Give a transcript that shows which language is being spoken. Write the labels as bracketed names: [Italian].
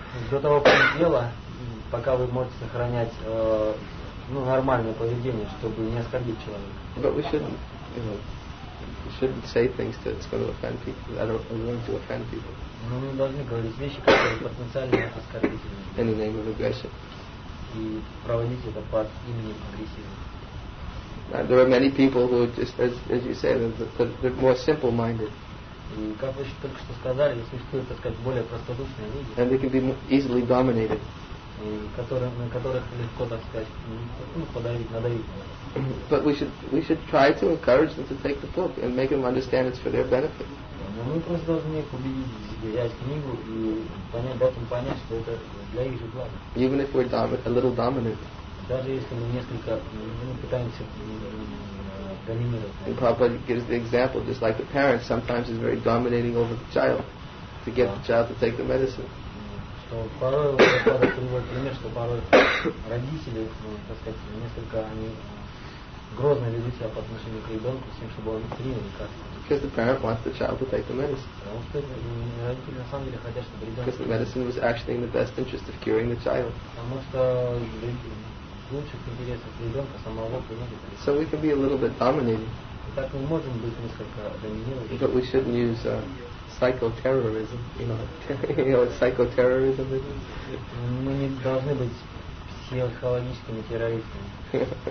[Russian] До того предела, пока вы можете сохранять нормальное поведение, чтобы не оскорбить человека. [English] But we shouldn't, you know. You shouldn't say things that's going to offend people, that are going to offend people. [Russian] Но мы должны говорить вещи, которые потенциально оскорбительны. [English] In the name of aggression. [Russian] И проводить это под именем агрессии. [English] There are many people who just, as you say, they're more simple-minded. [Russian] И как вы только что сказали, существуют, так сказать, более простодушные люди. [English] And they can be easily dominated. [Russian] На которых легко, так сказать, подавить, надавить. [English] But we should try to encourage them to take the book and make them understand it's for their benefit. [Russian] Мы просто должны их убедить взять книгу и дать им понять, что это для их же блага. [English] Even if we're a little dominant. [Russian] Даже если мы несколько пытаемся доминировать. [English] And Prabhupada gives the example, just like the parent sometimes is very dominating over the child to get the child to take the medicine. [Russian] То порой Прабхупада приводит пример, что порой родители, так сказать, несколько они грозно ведут себя по отношению к ребенку, с тем, чтобы он принял лекарство. Потому что родители на самом деле хотят, чтобы ребенок. [English] Because the medicine was actually in the best interest of curing the child. [Russian] Потому что в лучших интересах ребенка самого принять лекарство. [English] So we can be a little bit dominating. [Russian] Так мы можем быть несколько доминировать. [English] But we shouldn't use psychoterrorism, you know, psychoterrorism. [Russian] Мы не должны быть психологическими террористами.